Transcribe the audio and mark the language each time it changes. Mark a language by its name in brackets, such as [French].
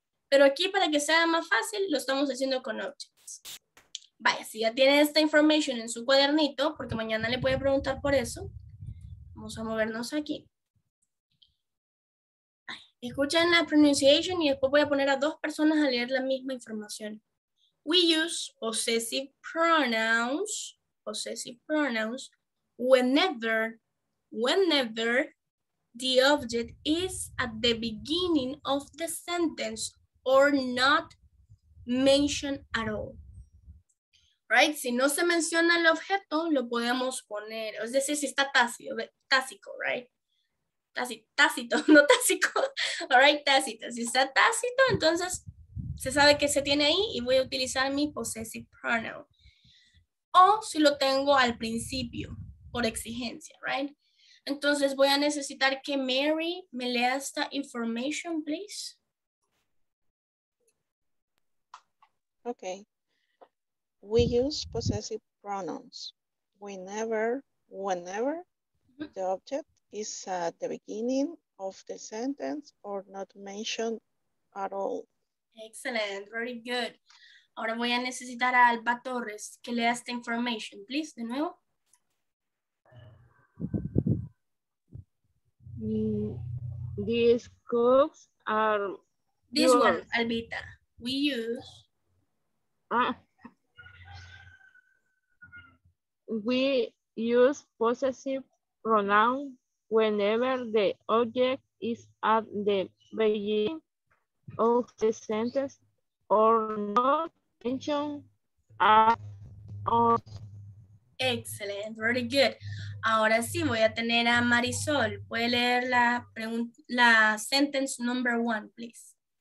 [Spanish] Pero aquí, para que sea más fácil, lo estamos haciendo con objects. Vaya, si ya tiene esta information en su cuadernito, porque mañana le puede preguntar por eso, vamos a movernos aquí. Escuchen la pronunciation y después voy a poner a dos personas a leer la misma información. [English] We use possessive pronouns, whenever, the object is at the beginning of the sentence or not mentioned at all. Right? [Spanish] Si no se menciona el objeto, lo podemos poner. Es decir, si está tácito, right? Tácito, no tácito. All right, tácito. Si está tácito, entonces se sabe que se tiene ahí y voy a utilizar mi possessive pronoun. O si lo tengo al principio, por exigencia, right? Entonces voy a necesitar que Mary me lea esta information, please. [English] Okay. We use possessive pronouns whenever the object is at the beginning of the sentence or not mentioned at all. Excellent, very good. [Spanish] Ahora voy a necesitar a Alba Torres que lea esta information, please, de nuevo. [English] These cups are this yours. One, Albita. We use we use possessive pronoun whenever the object is at the beginning of the sentence or not mention at all. Excellent, very good. [Spanish] Ahora sí, voy a tener a Marisol. ¿Puede leer la pregunta, la [English] sentence number one, please?